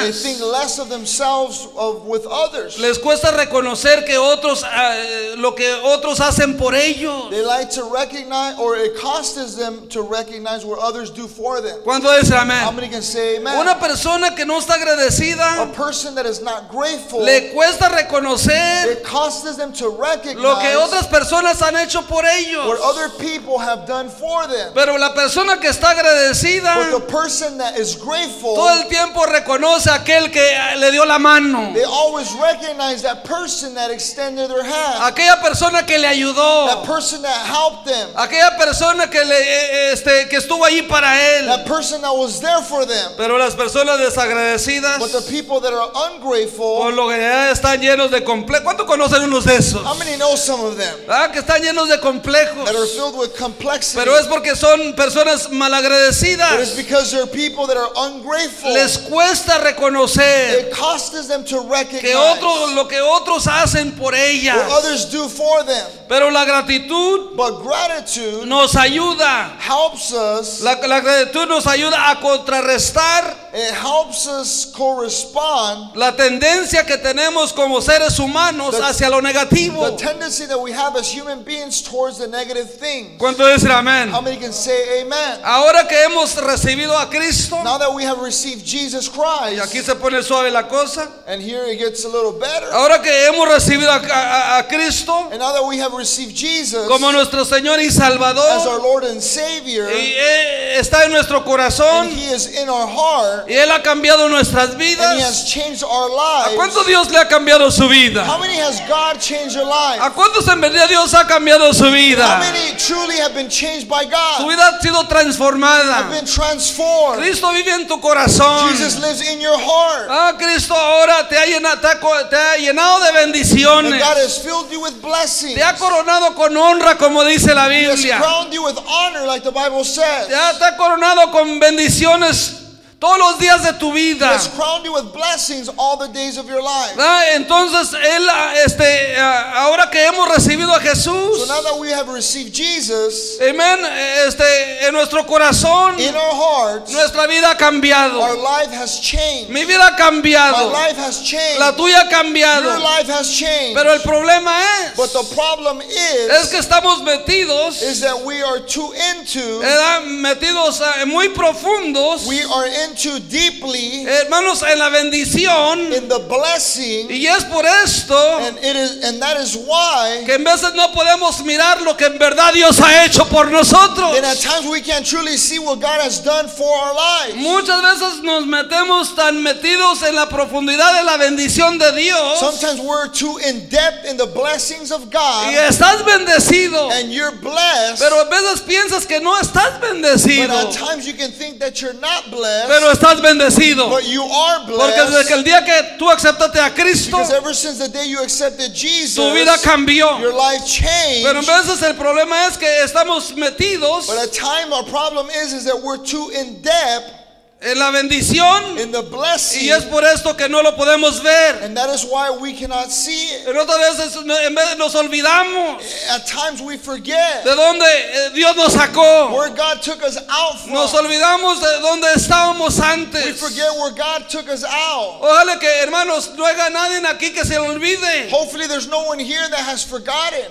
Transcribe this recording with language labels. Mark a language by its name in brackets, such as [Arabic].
[English] They think less of themselves of with others. [Spanish] Les cuesta reconocer que otros lo que otros hacen por ellos. [English] They like to recognize, or it costs them to recognize what others do for them. [Spanish] ¿Cuánto dice amén? [English] How many can say amen? [Spanish] Una persona que no está agradecida, [English] a person that is not grateful, [Spanish] le cuesta reconocer, [English] it costs them to recognize [Spanish] lo que otras personas han hecho por ellos, [English] what other people have done for them. [Spanish] Pero la persona que está agradecida, [English] but the person that is grateful, [Spanish] todo el tiempo reconoce a aquel que le dio la mano. [English] They always recognize that person that extended their hand. [Spanish] Aquella persona que le ayudó. [English] That person that helped them. [Spanish] Aquella persona que le que estuvo allí para él. [English] That person that was there for them. [Spanish] Pero las personas desagradecidas, [English] but the people that are ungrateful, [Spanish] por lo que están llenos de complejos. ¿Cuánto conocen unos de esos? [English] How many know some of them? [Spanish] Ah, que están llenos de complejos. [English] That are filled with complexity. [Spanish] Pero es porque son personas malagradecidas. [English] But it's because they're people that are ungrateful. [Spanish] Les cuesta reconocer, [English] it costs them to recognize, [Spanish] que otros, lo que otros hacen por ellas, [English] what others do for them. [Spanish] Pero la gratitud, [English] but gratitude, [Spanish] nos ayuda, [English] helps us, [Spanish] la gratitud nos ayuda a contrarrestar, [English] it helps us correspond, [Spanish] la tendencia que tenemos como seres humanos hacia lo negativo. [English] The tendency that we have as human beings towards the negative things. [Spanish] ¿Cuánto dice amén? [English] How many can say amen? [Spanish] Ahora que hemos recibido a Cristo, [English] now that we have received Jesus Christ, [Spanish] y aquí se pone suave la cosa, [English] and here it gets a little better. [Spanish] Ahora que hemos recibido a Cristo, [English] and now that we have received Jesus, [Spanish] como nuestro Señor y Salvador, [English] as our Lord and Savior, [Spanish] y está en nuestro corazón, [English] and he is in our heart, [Spanish] y Él ha cambiado nuestras vidas, [English] and he has changed our lives. [Spanish] ¿A cuánto Dios le ha cambiado su vida? [English] How many has God changed your life? [Spanish] ¿A cuántos en verdad Dios ha cambiado su vida? [English] How many truly have been changed by God? [Spanish] Su vida ha sido transformada. [English] Have been transformed. [Spanish] Cristo vive en tu corazón. [English] Jesus lives in your heart. [Spanish] Ah, Cristo ahora te ha llenado de bendiciones. [English] And God has filled you with blessings. [Spanish] Te ha coronado con honra, como dice la Biblia. [English] He has crowned you with honor, like the Bible says. [Spanish] Te ha coronado con bendiciones todos los días de tu vida. [English] He has crowned you with blessings all the days of your life. [Spanish] Entonces él, ahora que hemos recibido a Jesús, [English] so now that we have received Jesus, [Spanish] amen, en nuestro corazón, [English] in our hearts, [Spanish] nuestra vida ha cambiado. [English] Our life has changed. [Spanish] Mi vida ha cambiado. [English] My life has changed. [Spanish] La tuya ha cambiado. [English] Your life has changed. [Spanish] Pero el problema es, [English] but the problem is, [Spanish] es que estamos metidos, [English] is that we are too into, [Spanish] metidos muy profundos, [English] we are into deeply, [Spanish] hermanos, en la bendición, [English] in the blessing, [Spanish] y es por esto, [English] and that is why, [Spanish] que en veces no podemos mirar lo que en verdad Dios ha hecho por nosotros. [English] And at times we can't truly see what God has done for our lives. [Spanish] Muchas veces nos metemos tan metidos en la profundidad de la bendición de Dios. [English] Sometimes we're too in depth in the blessings of God. [Spanish] Y estás bendecido, [English] and you're blessed, [Spanish] pero a veces piensas que no estás bendecido. [English] But at times you can think that you're not blessed. [Spanish] Pero estás bendecido. [English] But you are blessed. [Spanish] Porque desde el día que tú aceptaste a Cristo, [English] because ever since the day you accepted Jesus, [Spanish] tu vida cambió. [English] Your life changed. [Spanish] Pero en veces el problema es que estamos metidos. [English] But at times our problem is that we're too in depth. [Spanish] en la bendición, [English] in the blessing, [Spanish] y es por esto que no lo podemos ver. [English] And that is why we cannot see it. [Spanish] En otras veces nos olvidamos. [English] At times we forget [Spanish] de dónde Dios nos sacó. [English] Where God took us out from. [Spanish] Nos olvidamos de dónde estábamos antes. [English] We forget where God took us out. [Spanish] Ojalá que, hermanos, no haya nadie aquí que se olvide. [English] Hopefully there's no one here that has forgotten.